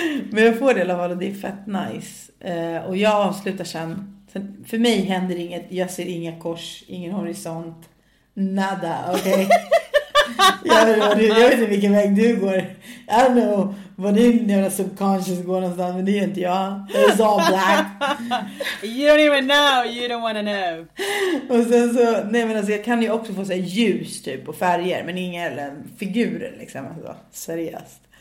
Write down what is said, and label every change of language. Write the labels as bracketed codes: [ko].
[sv] Men jag får det i alla fall och det är fett nice. Och jag avslutar sen, för mig händer inget, jag ser inga kors, ingen horisont. Nada, okej. Jag vet inte vilken väg du går. [en] I don't know [sv] vad din jävla subconscious går någonstans, men det är inte jag. [en] It's all black. You don't even know, you don't wanna know. [sv] Och sen så, nej men alltså, jag kan ju också få så här ljus typ och färger, men inga eller figurer liksom, alltså, seriöst.